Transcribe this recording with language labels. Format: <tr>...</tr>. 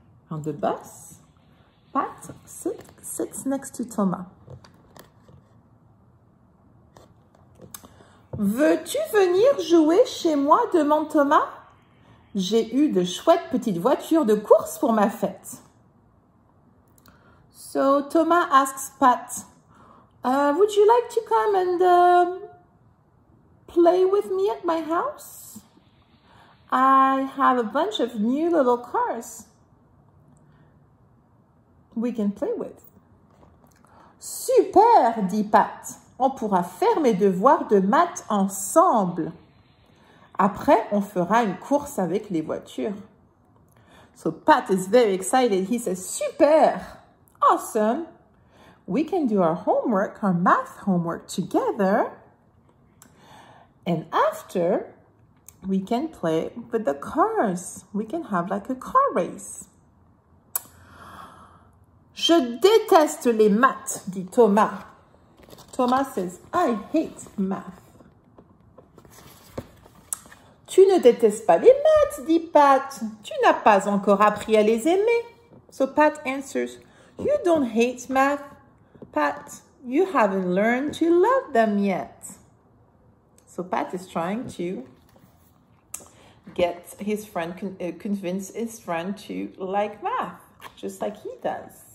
<en>On the bus, Pat sits next to Thomas.</en> <fr>Veux-tu venir jouer chez moi? Demande Thomas. J'ai eu de chouettes petites voitures de course pour ma fête.</fr> <en>So Thomas asks Pat, would you like to come and play with me at my house? I have a bunch of new little cars we can play with.</en> <fr>Super, dit Pat. On pourra faire mes devoirs de maths ensemble. Après, on fera une course avec les voitures.</fr> <en>So Pat is very excited. He says, super! Awesome. We can do our homework, our math homework together. And after, we can play with the cars. We can have like a car race.</en> <fr>Je déteste les maths, dit Thomas.</fr> <en>Thomas says, I hate math.</en> <fr>Tu ne détestes pas les maths, dit Pat. Tu n'as pas encore appris à les aimer.</fr> <en>So Pat answers, you don't hate math, Pat. You haven't learned to love them yet. So Pat is trying to get his friend, convince his friend to like math, just like he does.</en>